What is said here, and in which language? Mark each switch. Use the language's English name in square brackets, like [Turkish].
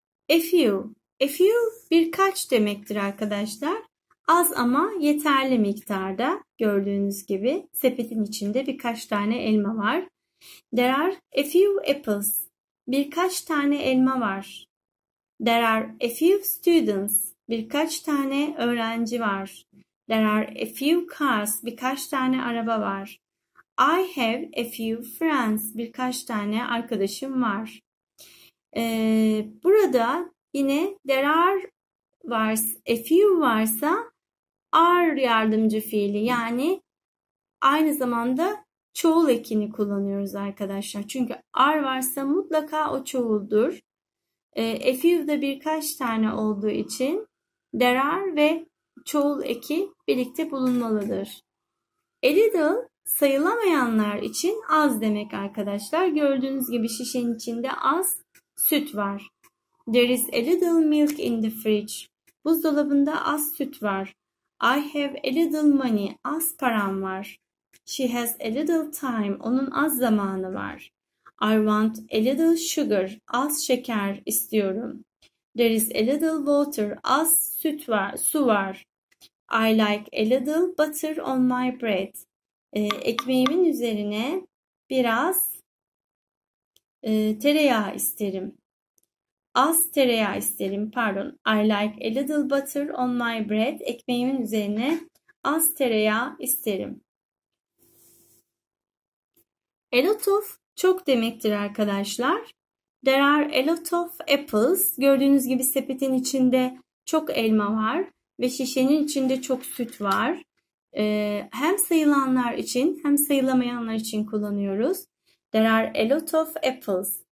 [English] A few. A few [Turkish] birkaç demektir arkadaşlar. Az ama yeterli miktarda, gördüğünüz gibi sepetin içinde birkaç tane elma var. [English] There are a few apples. [Turkish] Birkaç tane elma var. [English] There are a few students. [Turkish] Birkaç tane öğrenci var. [English] There are a few cars. [Turkish] Birkaç tane araba var. [English] I have a few friends. [Turkish] Birkaç tane arkadaşım var. Burada yine [English] there are [Turkish] varsa, a few varsa are yardımcı fiili, yani aynı zamanda çoğul ekini kullanıyoruz arkadaşlar. Çünkü are varsa mutlaka o çoğuldur. A few de birkaç tane olduğu için [English] there are [Turkish] ve çoğul eki birlikte bulunmalıdır. [English] A little [Turkish] sayılamayanlar için az demek arkadaşlar. Gördüğünüz gibi şişenin içinde az süt var. [English] There is a little milk in the fridge. [Turkish] Buzdolabında az süt var. [English] I have a little money. [Turkish] Az param var. [English] She has a little time. [Turkish] Onun az zamanı var. [English] I want a little sugar. [Turkish] Az şeker istiyorum. [English] There is a little water. [Turkish] Az süt var, su var. [English] I like a little butter on my bread. [Turkish] Ekmeğimin üzerine biraz tereyağı isterim. Az tereyağı isterim, pardon. [English] I like a little butter on my bread. [Turkish] Ekmeğimin üzerine az tereyağı isterim. [English] A lot of [Turkish] çok demektir arkadaşlar. [English] There are a lot of apples. [Turkish] Gördüğünüz gibi sepetin içinde çok elma var. Ve şişenin içinde çok süt var. Hem sayılanlar için hem sayılamayanlar için kullanıyoruz. [English] There are a lot of apples.